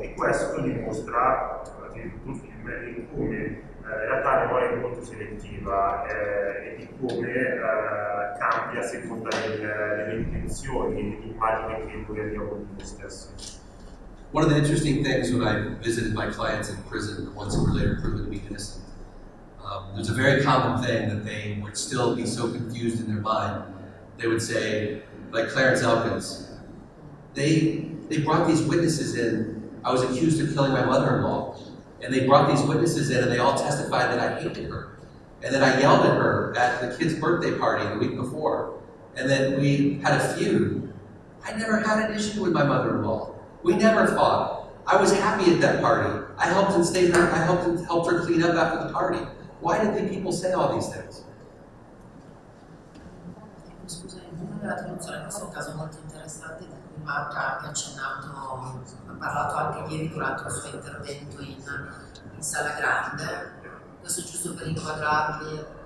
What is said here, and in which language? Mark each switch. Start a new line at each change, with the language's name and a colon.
Italian: E questo dimostra, tutto il film, di come realtà la memoria è molto selettiva e di come cambia a seconda delle intenzioni e dell'immagine che noi abbiamo di noi stessi.
English: One of the interesting things when I visited my clients in prison, the ones who were later proven to be innocent, there's a very common thing that they would still be so confused in their mind. They would say, like Clarence Elkins, they brought these witnesses in. I was accused of killing my mother-in-law. And they brought these witnesses in and they all testified that I hated her. And that I yelled at her at the kid's birthday party the week before. And that we had a feud. I never had an issue with my mother-in-law. We never fought. I was happy at that party. I helped and stayed there. I helped her clean up after the party. Why did the people say all these things?
Italian: Scusa, il nome della traduzione, questo è un caso molto interessante di cui Marco ha anche accennato, ha parlato anche ieri durante il suo intervento in Sala Grande. Questo è giusto per inquadrarvi.